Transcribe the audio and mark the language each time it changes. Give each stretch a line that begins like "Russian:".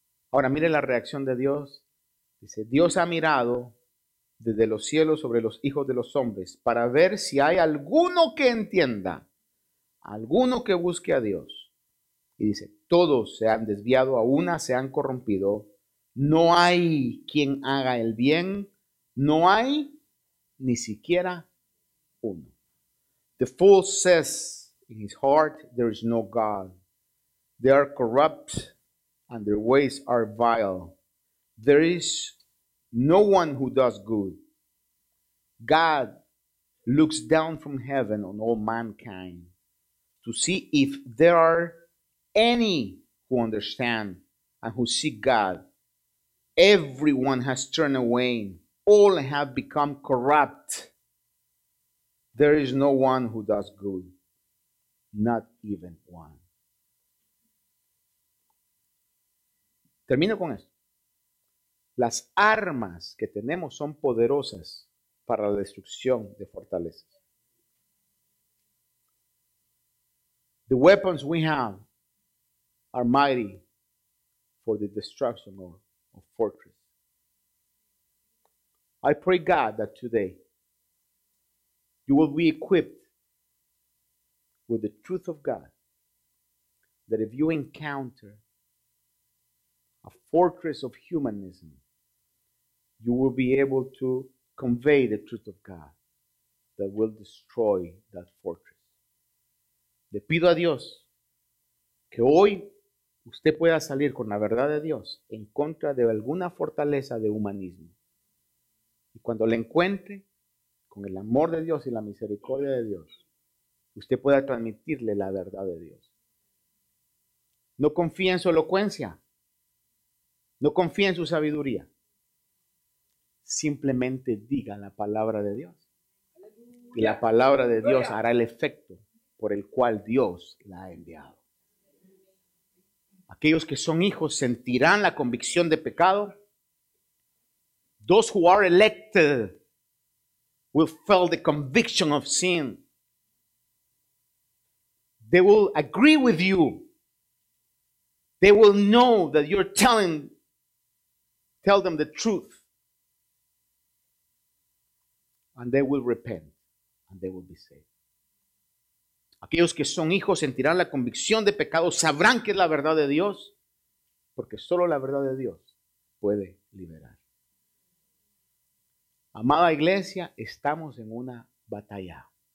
Spanish: Ahora mire la reacción de Dios. Dice, Dios ha mirado desde los cielos sobre los hijos de los hombres para ver si hay alguno que entienda, alguno que busque a Dios. Y dice, todos se han desviado a una, se han corrompido. No hay quien haga el bien, no hay ni siquiera uno.
English: The fool says in his heart, there is no God. They are corrupt and their ways are vile. There is no one who does good. God looks down from heaven on all mankind to see if there are any who understand and who seek God. Everyone has turned away. All have become corrupt. There is no one who does good. Not even one.
Spanish: Termino con esto. Las armas que tenemos son poderosas para la destrucción de fortalezas.
English: The weapons we have are mighty for the destruction of fortress. I pray God that today you will be equipped with the truth of God, that if you encounter a fortress of humanism, you will be able to convey the truth of God that will destroy that fortress.
Spanish: Le pido a Dios que hoy usted pueda salir con la verdad de Dios en contra de alguna fortaleza de humanismo. Y cuando la encuentre, con el amor de Dios y la misericordia de Dios, usted pueda transmitirle la verdad de Dios. No confíe en su elocuencia. No confíe en su sabiduría. Simplemente diga la palabra de Dios. Y la palabra de Dios hará el efecto por el cual Dios la ha enviado. Aquellos que son hijos sentirán la convicción de pecado.
English: Those who are elected will feel the conviction of sin. They will agree with you. They will know that you're tell them the truth. And they will repent and they will be saved.
Spanish: Aquellos que son hijos sentirán la convicción de pecado, sabrán que es la verdad de Dios, porque solo la verdad de Dios puede liberar. Amada iglesia, estamos en una batalla.